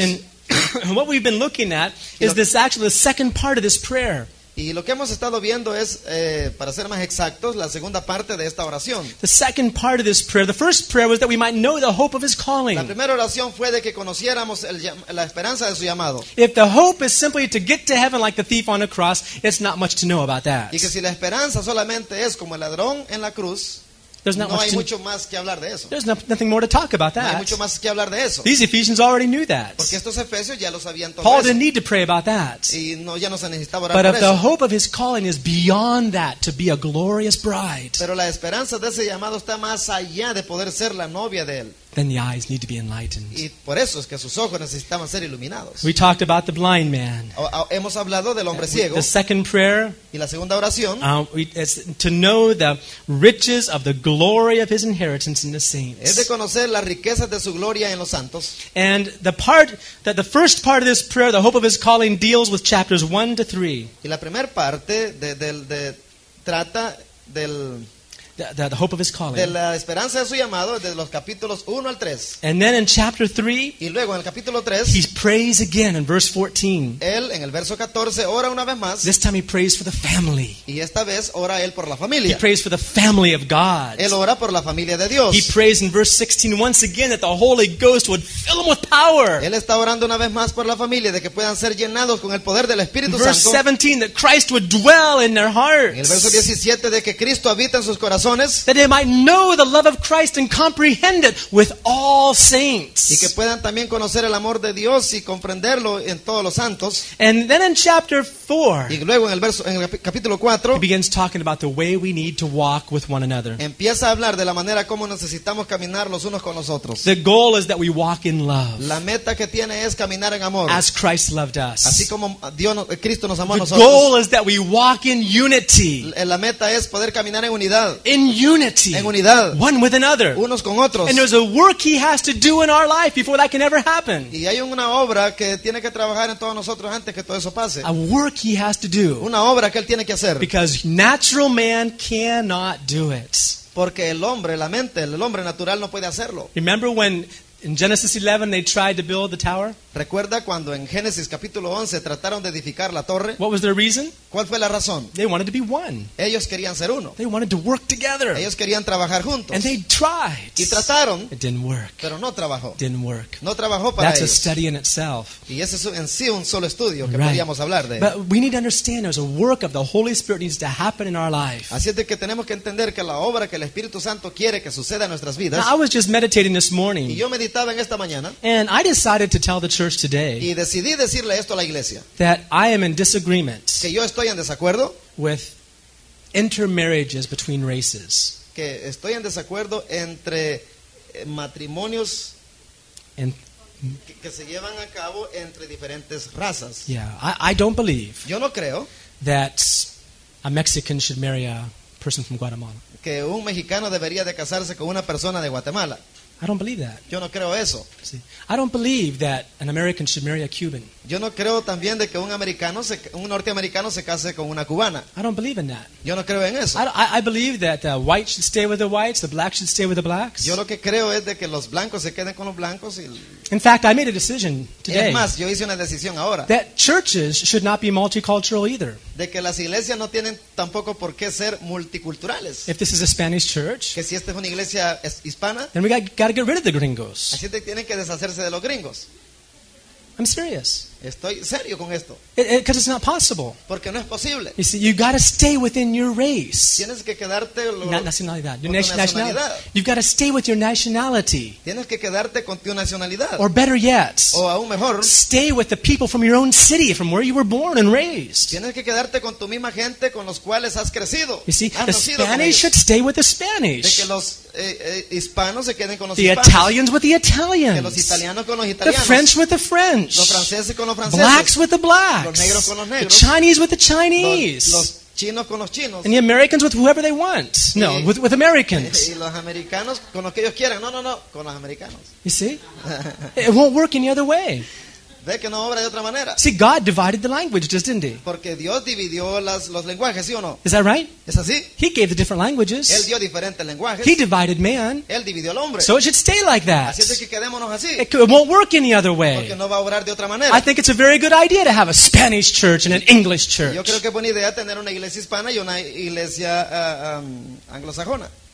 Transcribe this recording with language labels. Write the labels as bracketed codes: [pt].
[en] And what we've been looking at is this actually the second part of this prayer. [es] Y lo que hemos estado viendo es, para ser más exactos, la segunda parte de esta oración. [en] The second part of this prayer. The first prayer was that we might know the hope of his calling. [es] La primera oración fue de que conociéramos la esperanza de su llamado. [en] If the hope is simply to get to heaven like the thief on a cross, it's not much to know about that. [es] Y que si la esperanza solamente es como el ladrón en la cruz, [en] there's nothing more to talk about that. [es] No hay mucho más que hablar de eso. [en] These Ephesians already knew that. [es] Porque estos Efesios ya lo sabían todo. [en] Paul didn't need to pray about that. [es] Y no, ya no se necesitaba orar [en] but [es] por eso. [en] The hope of his calling is beyond that, to be a glorious bride, [es] pero la esperanza de ese llamado está más allá de poder ser la novia de él, [en] then the eyes need to be enlightened. [es] Y por eso es que sus ojos necesitaban ser iluminados. [en] We talked about the blind man. [es] Hemos hablado del hombre ciego. [en] The second prayer. [es] Y la segunda oración. [en] Is to know the riches of the glory of his inheritance in the saints. [es] Es de conocer las riquezas de su gloria en los santos. [en] And the part that the first part of this prayer, the hope of his calling, deals with chapters 1 to 3. [es] Y la primera parte de trata del [en] The hope of his calling. [es] De la esperanza de su llamado, de los capítulos 1 al 3. [en] And then in chapter 3, [es] y luego en el capítulo 3, [en] he prays again in verse 14. [es] Él en el verso 14 ora una vez más. [en] This time he prays for the family. [es] Y esta vez ora él por la familia. [en] He prays for the family of God. [es] Él ora por la familia de Dios. [en] He prays in verse 16 once again that the Holy Ghost would fill him with power. [es] Él está orando una vez más por la familia de que puedan ser llenados con el poder del Espíritu [en] Santo. Verse 17, that Christ would dwell in their hearts. [es] En el verso 17 de que Cristo habita en sus corazones. corazones, [en] that they might know the love of Christ and comprehend it with all saints. [es] Y que puedan también conocer el amor de Dios y comprenderlo en todos los santos. [en] And then in chapter 4, [es] y luego en el verso, en el capítulo 4, [en] he begins talking about the way we need to walk with one another. [es] Empieza a hablar de la manera como necesitamos caminar los unos con los otros. [en] The goal is that we walk in love. [es] La meta que tiene es caminar en amor. [en] As Christ loved us. [es] Así como Dios, Cristo nos amó [en] the [es] a nosotros. [en] The goal is that we walk in unity. [es] La meta es poder caminar en unidad. [en] In unity. [es] En unidad. [en] One with another. [es] Unos con otros. [en] And there's a work he has to do in our life before that can ever happen. [es] Y hay una obra que tiene que trabajar en todos nosotros antes que todo eso pase. [en] A work he has to do. [es] Una obra que él tiene que hacer. [en] Because natural man cannot do it. [es] Porque el hombre, la mente, el hombre natural no puede hacerlo. [en] Remember when in Genesis 11 they tried to build the tower? [es] ¿Recuerda cuando en Génesis capítulo 11 trataron de edificar la torre? [en] What was their reason? [es] ¿Cuál fue la razón? [en] They wanted to be one. [es] Ellos querían ser uno. [en] They wanted to work together. [es] Ellos querían trabajar juntos. [en] And they tried. [es] Y trataron. [en] It didn't work. [es] Pero no trabajó. [en] Didn't work. [es] No trabajó para [en] That's [es] ellos. [en] That's a study in itself. [es] Y ese es en sí un solo estudio que [en] right. [es] podíamos hablar de. [en] But we need to understand there's a work of the Holy Spirit needs to happen in our life. [es] Así es de que tenemos que entender que la obra que el Espíritu Santo quiere que suceda en nuestras vidas. [en] Now, I was just meditating this morning. [es] Y yo meditaba en esta mañana. [en] And I decided to tell the church today, [es] y decidí decirle esto a la iglesia, [en] that I am in disagreement, [es] que yo estoy en desacuerdo, [en] with intermarriages between races, [es] que estoy en desacuerdo entre matrimonios en, que se llevan a cabo entre diferentes razas. [en] Yeah, I don't believe, [es] yo no creo, [en] that a Mexican should marry a person from Guatemala, [es] que un mexicano debería de casarse con una persona de Guatemala. [en] I don't believe that. [es] Yo no creo eso. [en] See, I don't believe that an American should marry a Cuban. [es] Yo no creo también de que un norteamericano se case con una cubana. [en] I don't believe in that. [es] Yo no creo en eso. [en] I believe that the white should stay with the whites, the black should stay with the blacks. [es] Yo lo que creo es de que los blancos se queden con los blancos y. [en] In fact, I made a decision today. [es] Es más, yo hice una decisión ahora. [en] That churches should not be multicultural either. [es] De que las iglesias no tienen tampoco por qué ser multiculturales. [en] If this is a Spanish church, [es] que si esta es una iglesia hispana, [en] then we got to get rid of the gringos. [es] Así que tienen que deshacerse de los gringos. [en] I'm serious. [es] Estoy serio con esto. [en] Because it's not possible. [es] Porque no es posible. [en] You see, you've got to stay within your race. [es] Tienes que quedarte lo, [en] not nationalidad. Your [es] nationalidad. [en] You've got to stay with your nationality. [es] Tienes que quedarte con tu nacionalidad. [en] Or better yet, [es] o aún mejor, [en] stay with the people from your own city, from where you were born and raised. [es] Tienes que quedarte con tu misma gente con los cuales has crecido. [en] You see, [es] has [en] the Spanish should stay with the Spanish. [es] De que los hispanos se queden con los [en] the [es] hispanos. [en] Italians with the Italians. [es] Que los italianos con los italianos. [en] The French with the French. [es] Los franceses con [en] blacks with the blacks, [es] los negros con los negros, [en] the Chinese with the Chinese, [es] los chinos con los chinos, [en] and the Americans with whoever they want. No, [es] y, [en] with Americans. [es] Y los americanos con los que ellos quieran. No, no, no, con los americanos. [en] You see? It won't work any other way. [es] Ve que no obra de otra manera. [en] See, God divided the language, didn't he? [es] Porque Dios dividió los lenguajes, ¿sí o no? [en] Is that right? [es] ¿Es así? [en] He gave the different languages. [es] Él dio diferentes lenguajes. [en] He divided man. [es] Él dividió al hombre. [en] So it should stay like that. [es] Así es que quedémonos así. [en] It won't work any other way. [es] Porque no va a obrar de otra manera. [en] I think it's a very good idea to have a Spanish church and an English church. [es] Yo creo que es buena idea tener una iglesia hispana y una iglesia anglosajona.